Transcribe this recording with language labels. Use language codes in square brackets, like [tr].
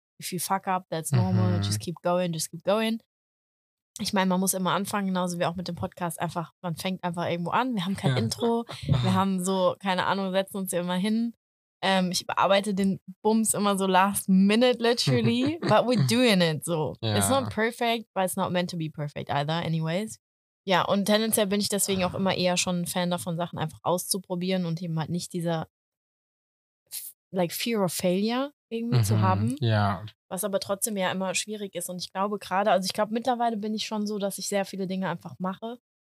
[en] If you fuck up, that's normal. Mhm. Just keep going, just keep going. [de] Ich meine, man muss immer anfangen, genauso wie auch mit dem Podcast. Einfach, man fängt einfach irgendwo an. Wir haben kein Intro. Wir haben so, keine Ahnung, setzen uns ja immer hin. Ich bearbeite den Bums immer so last minute, literally. [en] But we're doing it, so. Yeah. It's not perfect, but it's not meant to be perfect either, anyways. [de] Ja, und tendenziell bin ich deswegen auch immer eher schon ein Fan davon, Sachen einfach auszuprobieren und eben halt nicht dieser, like, [en] fear of failure [de] irgendwie zu haben. Ja. Yeah. Was aber trotzdem ja immer schwierig ist. Und ich glaube gerade, also ich glaube, mittlerweile bin ich schon so, dass ich sehr viele Dinge einfach mache.